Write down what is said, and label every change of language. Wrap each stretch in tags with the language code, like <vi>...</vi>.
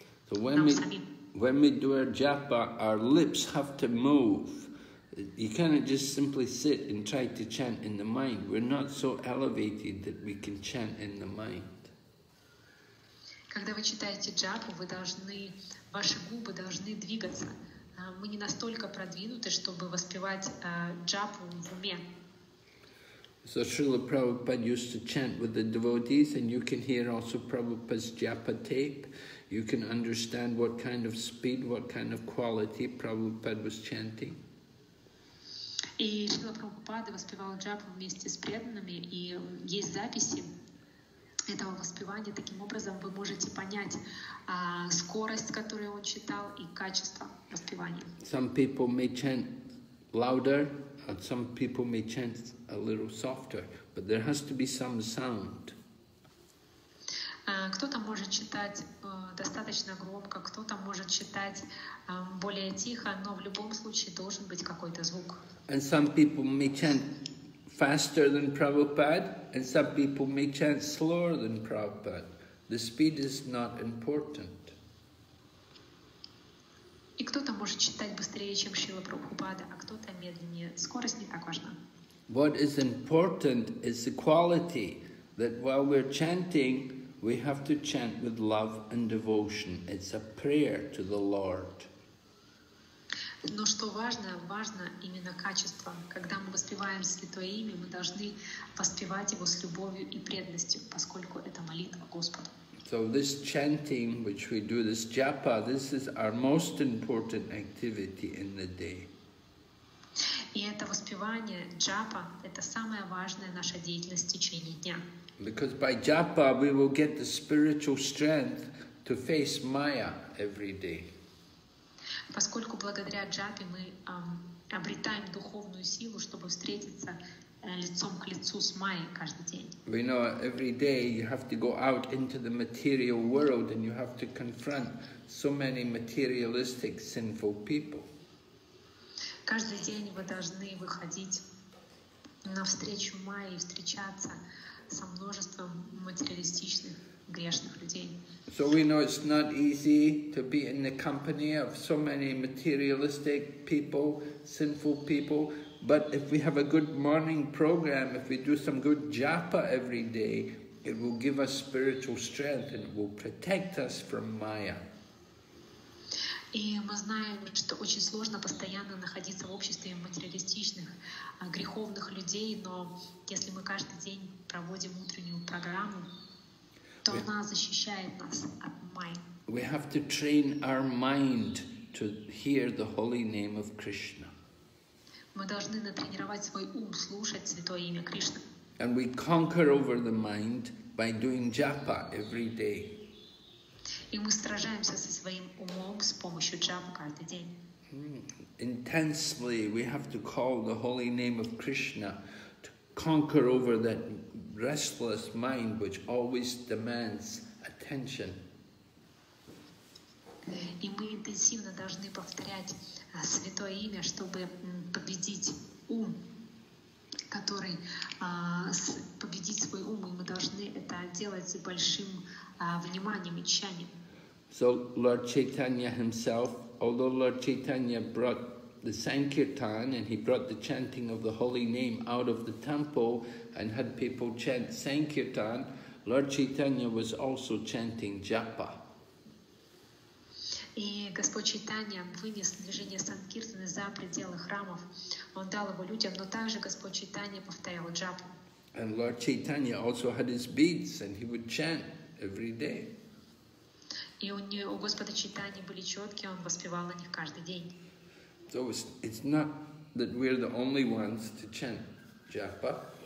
<en>So when we do our japa, our lips have to move. You cannot just simply sit and try to chant in the mind. We're not so elevated that we can chant in the mind.</en> <ru>Когда вы читаете джапу, вы должны, ваши губы должны двигаться. Мы не настолько продвинуты, чтобы воспевать джапу в уме.</ru> <en>So Srila Prabhupada used to chant with the devotees, and you can hear also Prabhupada's japa tape. You can understand what kind of speed, what kind of quality Prabhupada was chanting.</en> <ru>И Шрила Прабхупада воспевал джапу вместе с преданными, и есть записи этого воспевания. Таким образом, вы можете понять скорость, которую он читал, и качество воспевания.</ru> <en>Some people may chant louder, and some people may chant a little softer, but there has to be some sound.</en> <ru>Кто-то может читать достаточно громко, кто-то может читать более тихо, но в любом случае должен быть какой-то звук.</ru> <en>And some people may chant faster than Prabhupada, and some people may chant slower than Prabhupada. The speed is not important.</en> <ru>И кто-то может читать быстрее, чем Шрила Прабхупада, а кто-то медленнее. Скорость не так важна.</ru> <en>What is important is the quality that while we're chanting, we have to chant with love and devotion. It's a prayer to the Lord.</en> <ru>Но что важно, важно именно качество. Когда мы воспеваем святое имя, мы должны воспевать его с любовью и преданностью, поскольку это молитва Господу.</ru> <en>So this chanting, which we do, this japa, this is our most important activity in the day.</en> <ru>И это воспевание, джапа, это самая важная наша деятельность в течение дня.</ru> <en>Because by japa we will get the spiritual strength to face maya every day.</en> <ru>Поскольку благодаря джапе мы обретаем духовную силу, чтобы встретиться лицом к лицу с майей каждый день.</ru> <en>We know every day you have to go out into the material world and you have to confront so many materialistic sinful people.</en> <ru>Каждый день вы должны выходить навстречу Майе и встречаться со множеством материалистичных грешных людей.</ru> <en>So we know it's not easy to be in the company of so many materialistic people, sinful people. But if we have a good morning program, if we do some good japa every day, it will give us spiritual strength and will protect us from Maya.</en> <ru>И мы знаем, что очень сложно постоянно находиться в обществе материалистичных, греховных людей, но если мы каждый день проводим утреннюю программу, то она защищает нас от Майи.</ru> <en>We have to train our mind to hear the holy name of Krishna.</en> <ru>Мы должны натренировать свой ум слушать святое имя Кришны.</ru> <en>And we conquer over the mind by doing japa every day.</en> <ru>И мы сражаемся со своим умом с помощью джапы каждый день.</ru> <en>Intensely we have to call the holy name of Krishna to conquer over that restless mind which always demands attention.</en> <ru>И мы интенсивно должны повторять святое имя, чтобы победить ум, который победить свой ум, и мы должны это делать с большим вниманием и тщанием.</ru> <en>So Lord Chaitanya himself, although Lord Chaitanya brought the Sankirtan and he brought the chanting of the holy name out of the temple and had people chant Sankirtan, Lord Chaitanya was also chanting japa.</en> <ru>И Господь Чайтанья вынес движение Санкиртаны за пределы храмов. Он дал его людям, но также Господь Чайтанья повторял джапу.</ru> <en>And Lord Chaitanya also had his beads and he would chant every day.</en> <ru>И у Господа Чайтаньи были четки, он воспевал на них каждый день.</ru> <en>So it's not that we're the only ones to chant japa.</en>